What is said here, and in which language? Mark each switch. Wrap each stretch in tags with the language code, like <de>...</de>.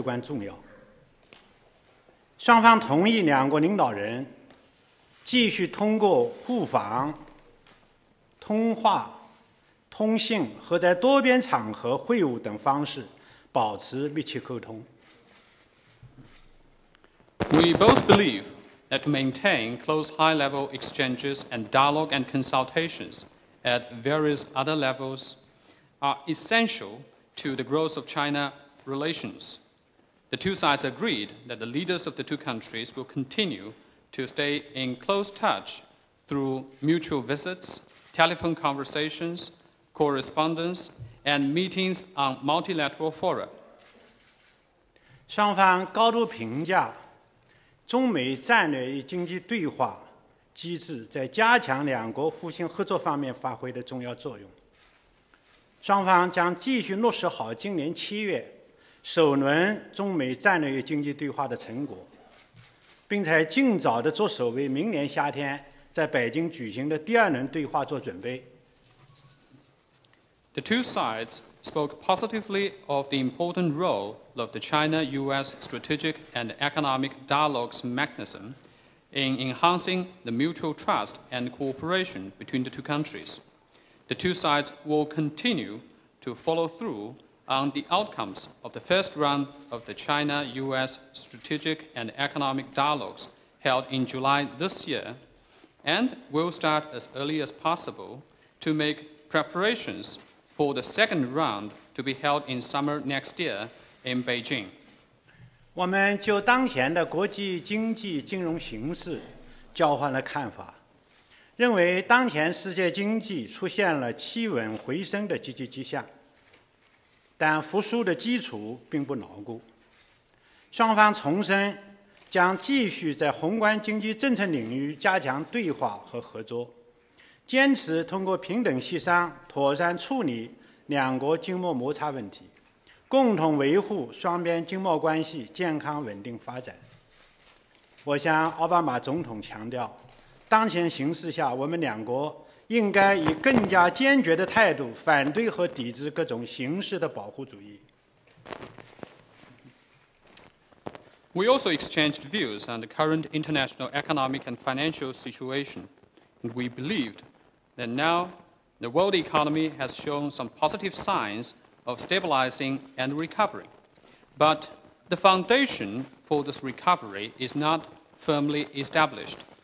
<en>Both sides agree that the two leaders continue through cooperation,</en> <zh>通话通信和在多边场合会晤等方式保持密切沟通。</zh> <en>We both believe that to maintain close high-level exchanges and dialogue and consultations at various other levels are essential to the growth of China relations. The two sides agreed that the leaders of the two countries will continue to stay in close touch through mutual visits, telephone conversations, correspondence, and meetings on multilateral fora.</en> <zh>双方高度评价中美战略与经济对话机制在加强两国互信合作方面发挥的重要作用。双方将继续落实好今年七月首轮中美战略与经济对话的成果，并在尽早地着手为明年夏天在北京举行的第二轮对话做准备。</zh> <en>The two sides spoke positively of the important role of the China-U.S. strategic and economic dialogues mechanism in enhancing the mutual trust and cooperation between the two countries. The two sides will continue to follow through on the outcomes of the first round of the China-U.S. strategic and economic dialogues held in July this year and will start as early as possible to make preparations for the second round to be held in summer next year in Beijing.</en> <zh>我们就当前的国际经济金融形势交换了看法，认为当前世界经济出现了企稳回升的积极迹象，但复苏的基础并不牢固。双方重申将继续在宏观经济政策领域加强对话和合作，坚持通过平等协商妥善处理两国经贸摩擦问题，共同维护双边经贸关系健康稳定发展。我向奥巴马总统强调，当前形势下，我们两国应该以更加坚决的态度反对和抵制各种形式的保护主义。</zh> <en>We also exchanged views on the current international economic and financial situation, and we believed that now the world economy has shown some positive signs of stabilizing and recovering. But the foundation for this recovery is not firmly established.</en>